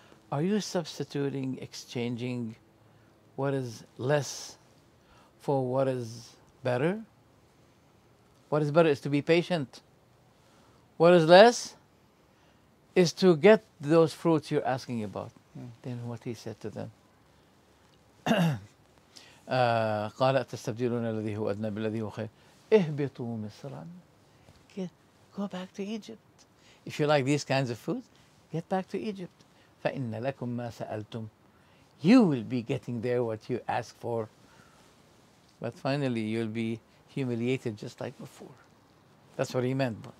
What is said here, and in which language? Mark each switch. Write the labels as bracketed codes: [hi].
[en] Are you substituting, exchanging what is less for what is better? What is better is to be patient. What is less is to get those fruits you're asking about. Then what he said to them, [ar] قال أتستبدلون الذي هو أدنى بالذي هو خير. اهبطوا مصرا. [en] Go back to Egypt. If you like these kinds of food, get back to Egypt. [ar] فإن لكم ما سألتم. [en] You will be getting there what you ask for. but finally you'll be humiliated just like before. That's what he meant.